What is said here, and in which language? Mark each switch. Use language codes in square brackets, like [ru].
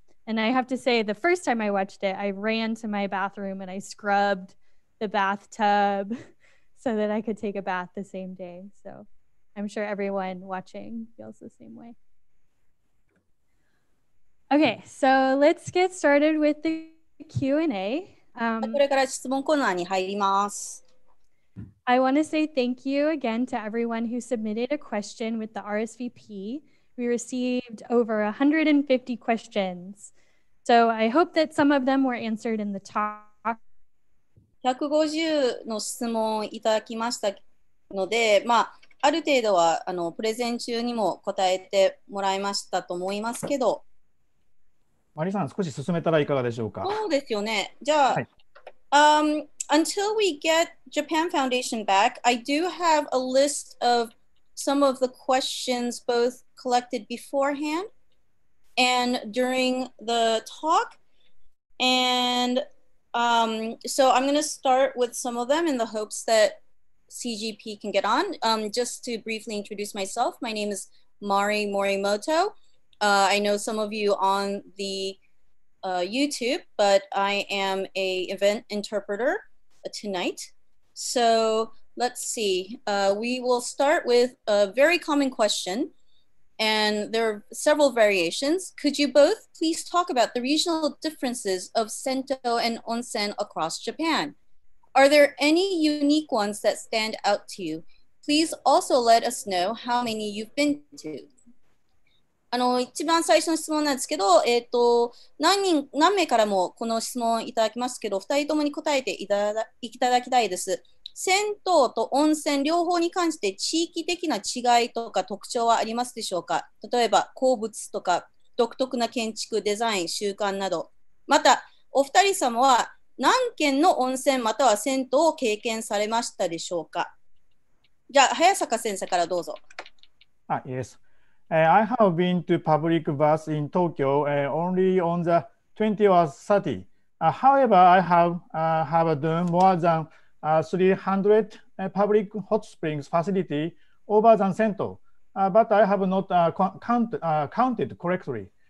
[en] And I have to say, the first time I watched it, I ran to my bathroom and I scrubbed the bathtub so that I could take a bath the same day. So I'm sure everyone watching feels the same way. Okay, so let's get started with the Q&A. [ja] これから質問コーナーに入ります。 [en] I want to say thank you again to everyone who submitted a question with the RSVP. We received over 150 questions. So I hope that some of them were answered in the talk. [ja] 150の質問いただきましたので、まあ、ある程度はプレゼン中にも答えてもらいましたと思いますけど、マリさん、少し進めたらいかがでしょうか。そうですよね。じゃあ、はい、 [en] until we get Japan Foundation back, I do have a list of some of the questions both collected beforehand and during the talk. And so I'm going to start with some of them in the hopes thatCGP can get on. Just to briefly introduce myself, my name is Mari Morimoto. I know some of you on the YouTube, but I am a event interpreter tonight. So let's see. We will start with a very common question, and there are several variations. Could you both please talk about the regional differences of Sento and Onsen across Japan? Are there any unique ones that stand out to you? Please also let us know how many you've been to. [ja] 一番最初の質問なんですけど、何名からもこの質問いただきますけど、2人ともに答えていただきたいです。銭湯と温泉両方に関して地域的な違いとか特徴はありますでしょうか？例えば、鉱物とか独特な建築、デザイン、習慣など。また、お二人様は何件の温泉または銭湯を経験されましたでしょうか。じゃあ早坂先生からどうぞ。 [en] Yes. I have been to public baths in Tokyo only on the 20 or 30. However, I have done more than 300 public hot springs facility over than 銭湯. But I have not counted correctly.